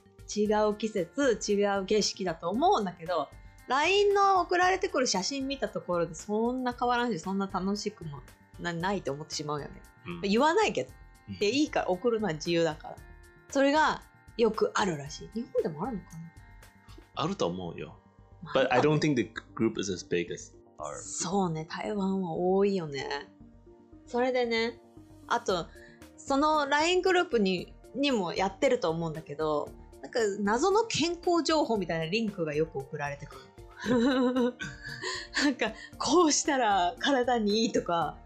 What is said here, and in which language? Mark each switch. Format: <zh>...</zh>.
<ja>違う季節、違う景色だと思うんだけど、LINE の送られてくる写真見たところでそんな変わらんし、そんな楽しくも ないと思ってしまうよね。うん、言わないけど。でいいから送るのは自由だから。それがよくあるらしい。日本でもあるのかな。あると思うよ。</ja> <en>But I don't think the group is as big as our.</en> <ja>そうね、台湾は多いよね。それでね、あとその LINE グループ にもやってると思うんだけど、なんか謎の健康情報みたいなリンクがよく送られてくる。なんかこうしたら体にいいとか。</ja>